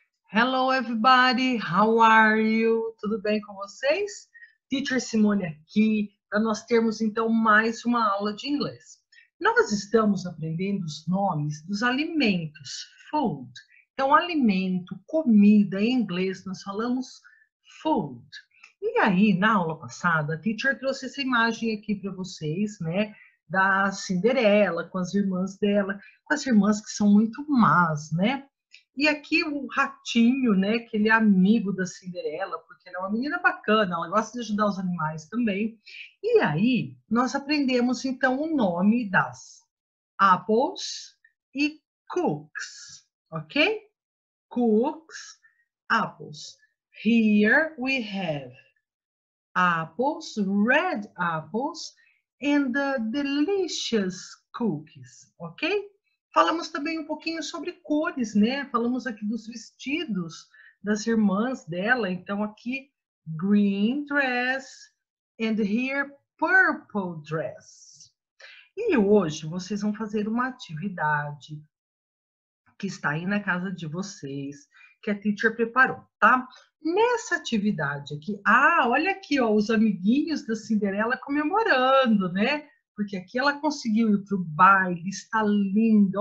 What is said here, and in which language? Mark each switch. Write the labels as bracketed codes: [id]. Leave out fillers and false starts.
[en] Hello everybody, how are you? [pt] Tudo bem com vocês? Teacher Simone aqui, para nós termos então mais uma aula de inglês. Nós estamos aprendendo os nomes dos alimentos, food. Então, alimento, comida, em inglês nós falamos food. E aí, na aula passada, a teacher trouxe essa imagem aqui para vocês, né? Da Cinderela com as irmãs dela, com as irmãs que são muito más, né? E aqui o ratinho, né, que ele é amigo da Cinderela, porque ela é uma menina bacana, ela gosta de ajudar os animais também. E aí, nós aprendemos então o nome das apples e cooks, ok? Cooks, apples. [en] Here we have apples, red apples, and the delicious cookies, ok? [pt] Falamos também um pouquinho sobre cores, né? Falamos aqui dos vestidos das irmãs dela. Então, aqui, [en] green dress and here, purple dress. [pt] E hoje, vocês vão fazer uma atividade que está aí na casa de vocês, que a teacher preparou, tá? Nessa atividade aqui, olha aqui, ó, os amiguinhos da Cinderela comemorando, né? Porque aqui ela conseguiu ir para o baile, está linda.